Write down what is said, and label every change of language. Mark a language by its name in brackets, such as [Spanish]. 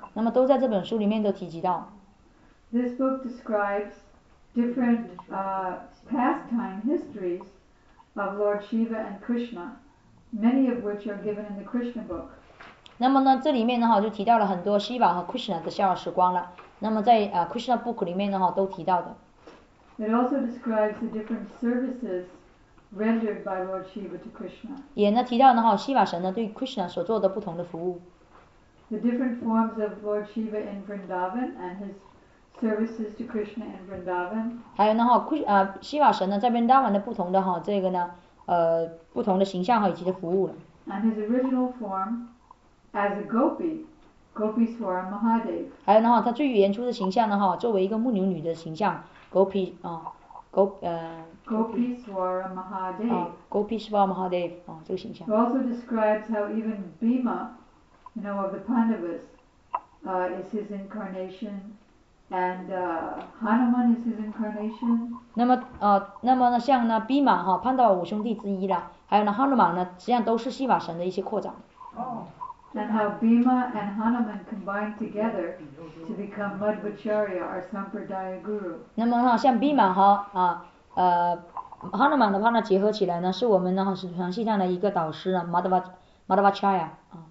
[Chinese] 那么都在这本书里面都提及到。 [English] This book describes different pastime histories of Lord Shiva and Krishna, many of which are given in the Krishna book. [Chinese] 那么呢，这里面的话就提到了很多 Shiva 和 Krishna 的逍遥时光了。那么在Krishna book 里面的话都提到的。 [English] It also describes the different services rendered by Lord Shiva to Krishna. [Chinese] 也呢提到的话 ，Shiva 神呢对 Krishna 所做的不同的服务。 [English] The different forms of Lord Shiva in Vrindavan and his services to Krishna in Vrindavan. [Chinese] 还有呢哈，西瓦神呢在 Vrindavan 的不同的哈这个呢不同的形象哈以及的服务了。 [English] And his original form as a gopi, gopi swara Mahadev. [Chinese] 还有呢哈，他最原初的形象呢哈，作为一个牧牛女的形象 ，gopi 啊 [English] gopi swara Mahadev. [Chinese] 啊 ，gopi swara Mahadev 啊这个形象。 [English] It also describes how even Bhima, you know, of the Pandavas, is his incarnation. And Hanuman is his incarnation. [Chinese] 那么呢，像呢，毕马哈，潘达瓦五兄弟之一啦，还有呢，哈努曼呢，实际上都是西瓦神的一些扩展。哦。 [English] And how Bhima and Hanuman combined together to become Madhvacharya or Sampradaya Guru. [Chinese] 那么哈，像毕马哈啊，哈努曼的话呢，结合起来呢，是我们呢哈，是传系上的一个导师呢 ，Madhvacharya 啊。